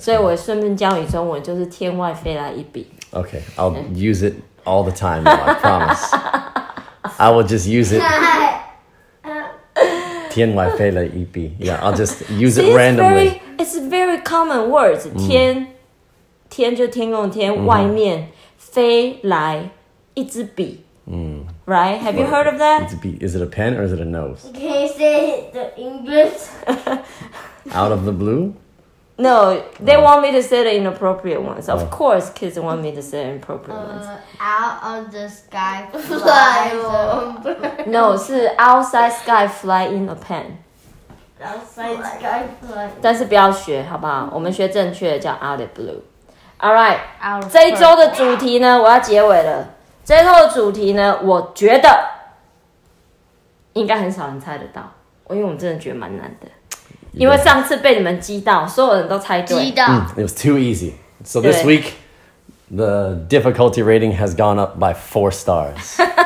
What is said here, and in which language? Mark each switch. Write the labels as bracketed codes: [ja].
[zh] 所以我顺便教你中文就是天外飞来一笔。 [en] Okay, I'll use it all the time, though, I promise. I will just use it. [zh] 天外飞来一笔. [en] Yeah, I'll just use it randomly. It's very common words. [zh] 天就天空天外面。飞来一支笔, [en] right? Have you heard of that? Is it a pen or is it a nose? Can you say the English? Out of the blue? No, they want me to say the inappropriate ones. Of course, kids want me to say the inappropriate ones. Out of the sky fly. No, [zh] 是 [en] outside sky fly in a pen. Outside fly. Sky fly. [zh] 但是不要学，好不好？我们学正确的叫 [en] out of blue. Alright, [zh] 这一周的主题呢，我要结尾了。这一周的主题呢，我觉得应该很少人猜得到，因为我们真的觉得蛮难的。因为上次被你们击到，所有人都猜对。击到。 [en] It was too easy. So this week, the difficulty rating has gone up by 4 stars.